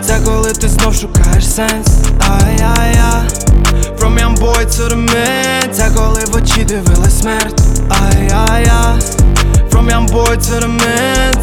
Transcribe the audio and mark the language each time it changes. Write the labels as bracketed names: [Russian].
[Ukrainian] Це коли ти знов шукаєш сенс. Ай-я-я. [English] From young boy to the man. [Ukrainian] Це коли в очі дивилась смерть. Ай-я-я. [English] From young boy to the man.